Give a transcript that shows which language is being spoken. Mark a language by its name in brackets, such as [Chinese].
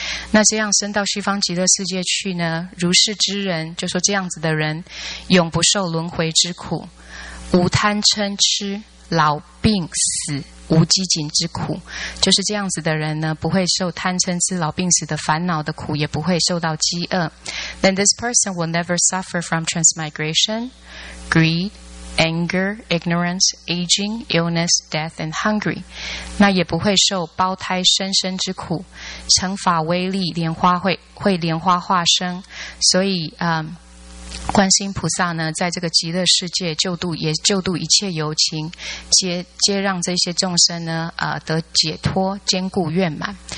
[Chinese] 那这样升到西方极乐世界去呢，如是之人，就说这样子的人，永不受轮回之苦，无贪嗔痴，老病死，无饥馑之苦，就是这样子的人呢，不会受贪嗔痴老病死的烦恼的苦，也不会受到饥饿。 [English] Then this person will never suffer from transmigration, greed,anger, ignorance, aging, illness, death, and hungry. [Chinese] 那也不会受胞胎生生之苦，乘法威力，莲花会莲花化生。所以，观世音菩萨呢，在这个极乐世界救度，也救度一切有情，皆让这些众生呢，得解脱，坚固圆满。